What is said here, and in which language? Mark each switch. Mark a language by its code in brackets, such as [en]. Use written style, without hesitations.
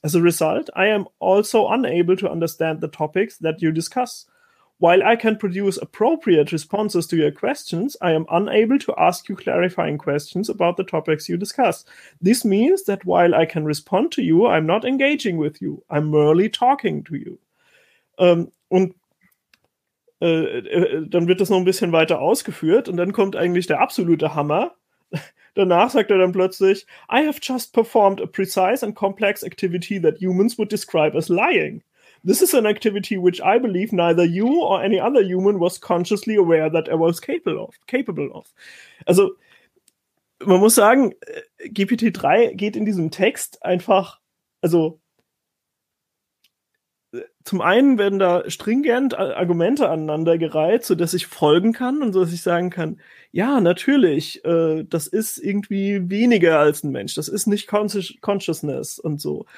[en] As a result, I am also unable to understand the topics that you discuss. While I can produce appropriate responses to your questions, I am unable to ask you clarifying questions about the topics you discuss. This means that while I can respond to you, I'm not engaging with you. I'm merely talking to you. [de] Dann wird das noch ein bisschen weiter ausgeführt und dann kommt eigentlich der absolute Hammer. Danach sagt dann plötzlich, [en] I have just performed a precise and complex activity that humans would describe as lying. This is an activity which I believe neither you or any other human was consciously aware that I was capable of. [de] Also, man muss sagen, GPT-3 geht in diesem Text einfach, also, zum einen werden da stringent Argumente aneinandergereiht, sodass ich folgen kann und sodass ich sagen kann, ja, natürlich, das ist irgendwie weniger als ein Mensch, das ist nicht Consciousness und so.